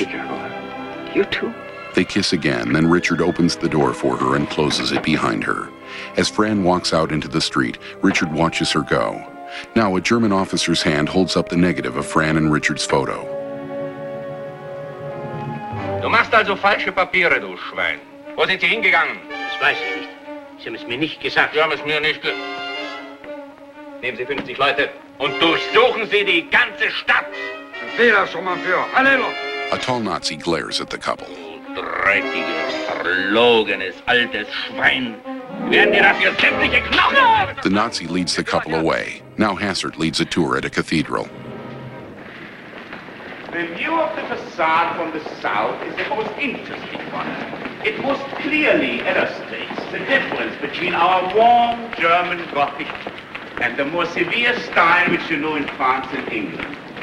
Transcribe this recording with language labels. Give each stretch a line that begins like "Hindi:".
English: Be careful. You too. They kiss again, then Richard opens the door for her and closes it behind her. As Fran walks out into the street, Richard watches her go. Now a German officer's hand holds up the negative of Fran and Richard's photo.
German: Du machst also falsche Papiere, du Schwein. Wo sind Sie hingegangen? Das weiß ich nicht. Sie haben es mir nicht gesagt. Sie haben es mir nicht gesagt. Nehmen Sie 50 Leute. Und durchsuchen Sie die ganze Stadt! Sehr schon mal für. Halleluja!
English: A tall Nazi glares at the couple.
German: Du dreckiges, verlogenes, altes Schwein! Werden dir dafür sämtliche Knochen!
English: The Nazi leads the couple away. Now Hassert leads a tour at a cathedral. The view of the facade from the south is the most interesting one. It most clearly illustrates the difference between our warm German Gothic and the more severe style which you know in France and England.